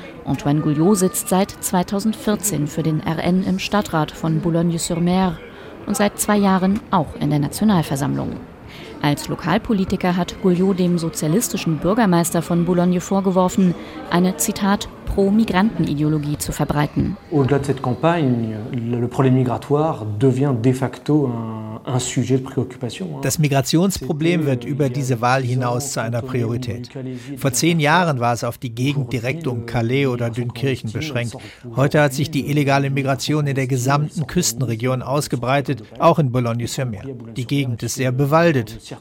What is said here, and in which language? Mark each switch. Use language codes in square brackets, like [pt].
[de] Antoine Gouillot sitzt seit 2014 für den RN im Stadtrat von Boulogne-sur-Mer und seit 2 Jahren auch in der Nationalversammlung. Als Lokalpolitiker hat Gouillot dem sozialistischen Bürgermeister von Boulogne vorgeworfen, eine, Zitat, Pro-Migranten-Ideologie zu verbreiten. [fr] Au-delà de cette campagne, le problème migratoire devient de facto un sujet de préoccupation. [de] Das Migrationsproblem wird über diese Wahl hinaus zu einer Priorität. Vor 10 Jahren war es auf die Gegend direkt um Calais oder Dünkirchen beschränkt. Heute hat sich die illegale Migration in der gesamten Küstenregion ausgebreitet, auch in Boulogne-sur-Mer. Die Gegend ist sehr bewaldet.